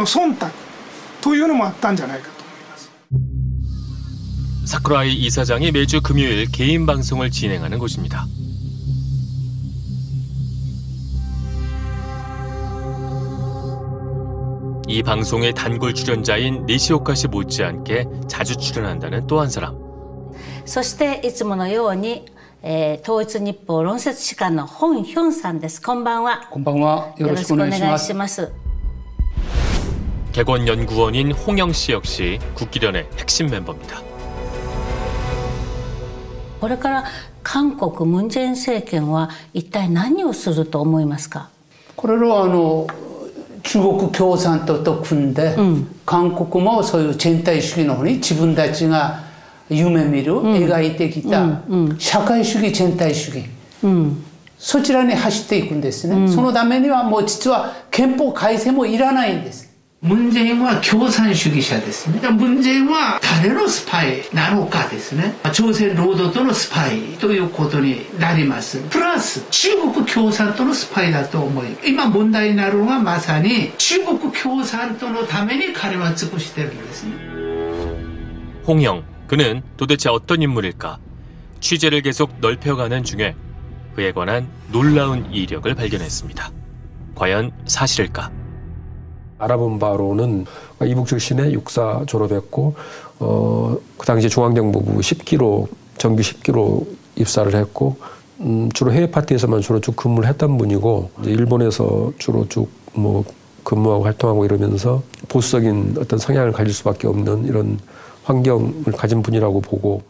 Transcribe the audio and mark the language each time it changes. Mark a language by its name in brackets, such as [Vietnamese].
[Japanese] まあ一つには日本の裁判所司法がですね非常にやはり右傾化しているということと当時安倍政権でしたから安倍政権への忖度というのもあったんじゃないかと思います。 [Korean] 사쿠라이 이사장이 매주 금요일 개인 방송을 진행하는 곳입니다. 이 방송의 단골 출연자인 니시오카 씨 못지않게 자주 출연한다는 또 한 사람. [Japanese] そしていつものように 統一日報論説士官の 本ひょんさんです. 건반와. 건반와. よろしくお願いします. [Korean] 객원 연구원인 홍영 씨 역시 국기련의 핵심 멤버입니다. [Japanese] これから韓国文在寅政権は一体何をすると思いますか。これはあの中国共産党と組んで、うん、韓国もそういう全体主義の方に自分たちが夢見る、うん、描いてきた、うんうん、社会主義全体主義、うん、そちらに走っていくんですね、うん、そのためにはもう実は憲法改正もいらないんです。文在寅は共産主義者ですね。文在寅は誰のスパイなのかですね、朝鮮労働党のスパイということになります。プラス中国共産党のスパイだと思い、今問題になるのはまさに中国共産党のために彼は尽くしているんですね。 [Korean] 홍영、그는 도대체 어떤 인물일까? 취재를 계속 넓혀가는 중에 그에 관한 놀라운 이력을 발견했습니다. 과연 사실일까? 알아본 바로는 이북 출신의 육사 졸업했고 그 당시 중앙정보부 10기로 정규 10기로 입사를 했고 주로 해외 파티에서만 주로 쭉 근무를 했던 분이고 일본에서 주로 쭉 뭐 근무하고 활동하고 이러면서 보수적인 어떤 성향을 가질 수밖에 없는 이런환경을가진분이라고보고